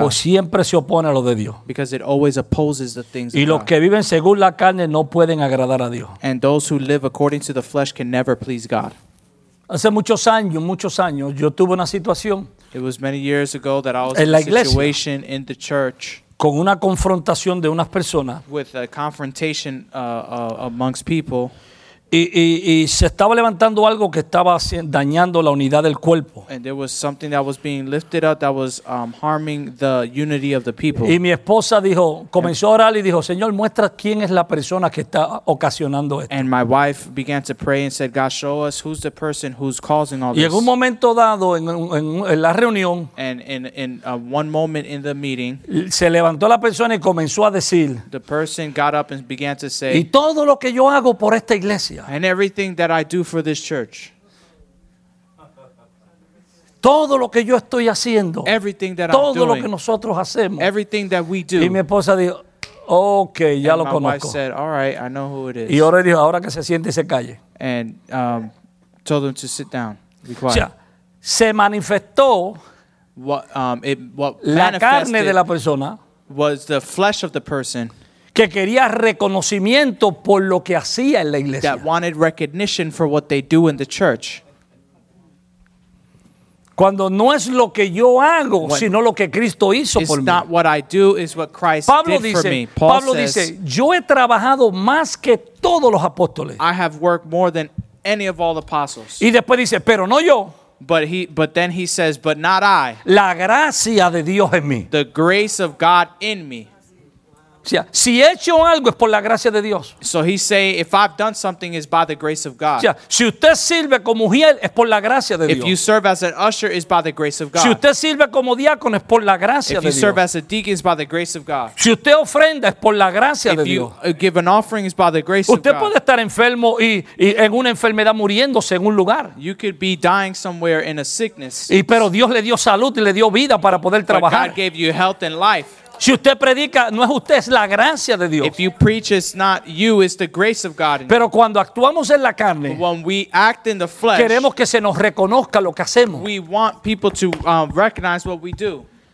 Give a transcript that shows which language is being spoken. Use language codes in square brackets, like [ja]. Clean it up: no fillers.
[es] Pues siempre se opone a lo de Dios. [en] Because it always opposes the things of [es] God. Y los que viven según la carne no pueden agradar a Dios. [en] And those who live according to the flesh can never please God. [es] Hace muchos años, yo tuve una situación. [en] It was many years ago that I was in a situation in the church. [es] Con una confrontación de unas personas. [en] With a confrontation amongst people. [es] Y se estaba levantando algo que estaba dañando la unidad del cuerpo. [en] And there was something that was being lifted up that was harming the unity of the people. [es] Y mi esposa comenzó a orar y dijo, Señor, muestra quién es la persona que está ocasionando esto. [en] And my wife began to pray and said, God, show us who's the person who's causing all this. [es] Y en un momento dado, en la reunión, [en] and in one moment in the meeting, [es] se levantó la persona y comenzó a decir, [en] the person got up and began to say, [es] y todo lo que yo hago por esta iglesia. [en] And everything that I do for this church. [es] Todo lo que yo estoy haciendo. [en] Everything that [es] todo [en] I'm doing. [es] Lo que nosotros hacemos. [en] Everything that we do. [es] Y mi esposa dijo, okay, ya [en] and [es] lo [en] my [es] conozco. [en] Wife said, all right, I know who it is. [es] Y ahora dijo, ahora que se siente y se calle. [en] And told them to sit down. Be quiet. [es] O sea, se manifestó la carne de la persona. [en] Was the flesh of the person. [es] Que quería reconocimiento por lo que hacía en la iglesia. [en] That wanted recognition for what they do in the church. [es] Cuando no es lo que yo hago, when sino lo que Cristo hizo por mí. [en] It's not what I do, it's what Christ [es] Pablo [en] did [es] dice, [en] for me. [es] Pablo says, dice, yo he trabajado más que todos los apóstoles. [en] I have worked more than any of all the apostles. [es] Y después dice, pero no yo. [en] But then he says, but not I. [es] La gracia de Dios en mí. [en] The grace of God in me. [es] Si he hecho algo es por la gracia de Dios. [en] So he say if I've done something is by the grace of God. [es] Si usted sirve como ujier es por la gracia de Dios. [en] If you serve as an usher is by the grace of God. [es] Si usted sirve como diácono es por la gracia de Dios. [en] If you serve as a deacon is by the grace of God. [es] Si usted ofrenda es por la gracia de Dios. [en] If you give an offering is by the grace of God. [es] Usted puede estar enfermo y en una enfermedad muriéndose en un lugar. [en] You could be dying somewhere in a sickness. [es] Y pero Dios le dio salud y le dio vida para poder trabajar. [en] But God gave you health and life. [es] Si usted predica, no es usted, es la gracia de Dios. [en] If you preach, it's not you, it's the grace of God. [es] Pero cuando actuamos en la carne, [en] when we act in the flesh, [es] queremos que se nos reconozca lo que hacemos. [en] We want people to recognize what we do.